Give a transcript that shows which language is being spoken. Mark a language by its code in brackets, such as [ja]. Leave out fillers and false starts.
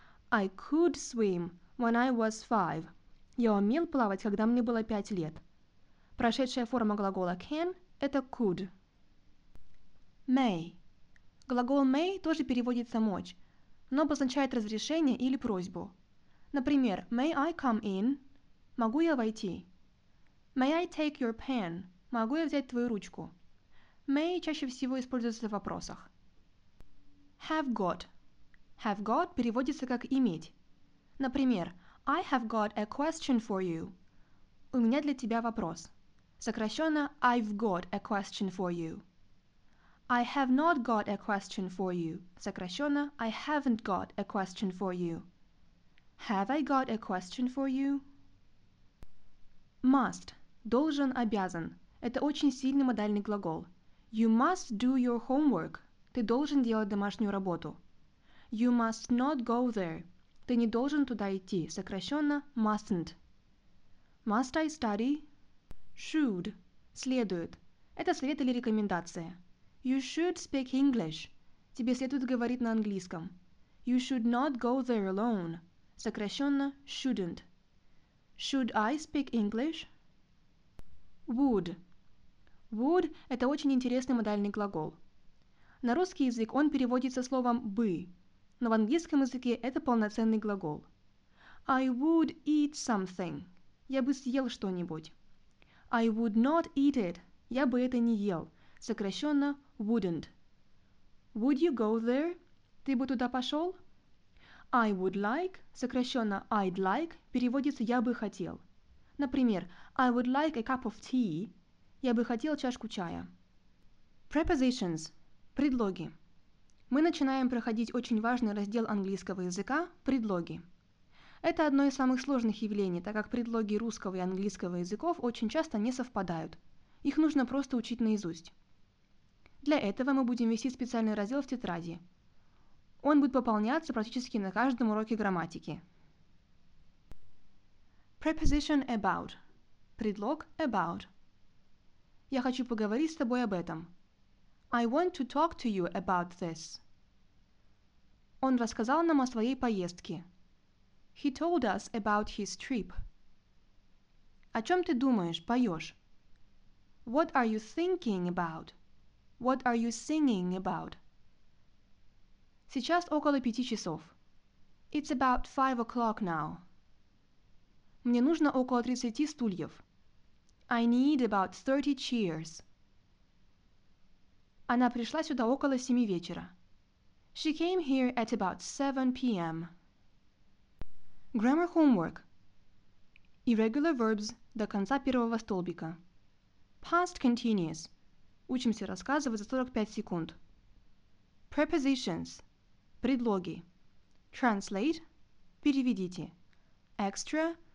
[en] I could swim when I was 5. [ru] Я умел плавать, когда мне было 5 лет. Прошедшая форма глагола [en] can [ru] – это could. [en] May. [ru] Глагол may тоже переводится мочь, но обозначает разрешение или просьбу. Например, [en] may I come in? [ru] Могу я войти? [en] May I take your pen? [ru] Могу я взять твою ручку? May чаще всего используется в вопросах. [en] Have got. Have got [ru] переводится как иметь. [en] Например, I have got a question for you. [ru] У меня для тебя вопрос. Сокращенно [en] I've got a question for you. I have not got a question for you. [ru] Сокращенно, [en] I haven't got a question for you. Have I got a question for you? Must. [ru] Должен, обязан. Это очень сильный модальный глагол. [en] You must do your homework. [ru] Ты должен делать домашнюю работу. [en] You must not go there. [ru] Ты не должен туда идти. Сокращенно, [en] mustn't. Must I study? Should. [ru] Следует. Это совет или рекомендация. [en] You should speak English. [ru] Тебе следует говорить на английском. [en] You should not go there alone. [ru] Сокращенно [en] shouldn't. Should I speak English? Would. Would [ru] – это очень интересный модальный глагол. На русский язык он переводится словом «бы», но в английском языке это полноценный глагол. [en] I would eat something. [ru] Я бы съел что-нибудь. [en] I would not eat it. [ru] Я бы это не ел. Сокращенно [en] wouldn't. Would you go there? [ru] Ты бы туда пошел? [en] I would like, [ru] сокращенно [en] I'd like, [ru] переводится я бы хотел. Например, [en] I would like a cup of tea. [ru] Я бы хотел чашку чая. [en] Prepositions. [ru] Предлоги. Мы начинаем проходить очень важный раздел английского языка – предлоги. Это одно из самых сложных явлений, так как предлоги русского и английского языков очень часто не совпадают. Их нужно просто учить наизусть. Для этого мы будем вести специальный раздел в тетради. Он будет пополняться практически на каждом уроке грамматики. [en] Preposition about. [ru] Предлог [en] about. [ru] Я хочу поговорить с тобой об этом. [en] I want to talk to you about this. [ru] Он рассказал нам о своей поездке. [en] He told us about his trip. [ru] О чем ты думаешь, поешь? [en] What are you thinking about? What are you singing about? [ru] Сейчас около 5 часов. [en] It's about 5 o'clock now. [ru] Мне нужно около 30 стульев. [en] I need about 30 chairs. [ru] Она пришла сюда около 7 вечера. [en] She came here at about 7 p.m. Grammar homework. Irregular verbs [ru] до конца первого столбика. [en] Past continuous. [ru] Учимся рассказывать за 45 секунд. [en] Prepositions. [ru] Предлоги. [en] Translate. [ru] Переведите. [en] Extra.